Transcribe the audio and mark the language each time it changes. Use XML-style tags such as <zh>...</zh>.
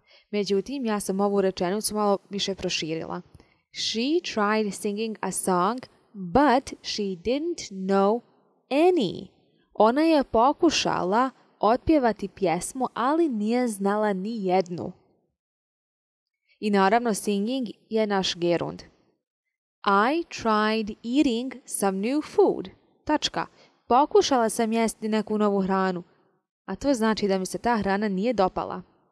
<bs>Međutim, ja sam ovu rečenicu malo više proširila.</bs> <en>She tried singing a song, but she didn't know any.</en> <bs>Ona je pokušala otpjevati pjesmu, ali nije znala ni jednu. I naravno, singing je naš gerund.</bs> <en>I tried eating some new food.</en> <bs>Tačka. Pokušala sam jesti neku novu hranu, a to znači da mi se ta hrana nije dopala.</bs>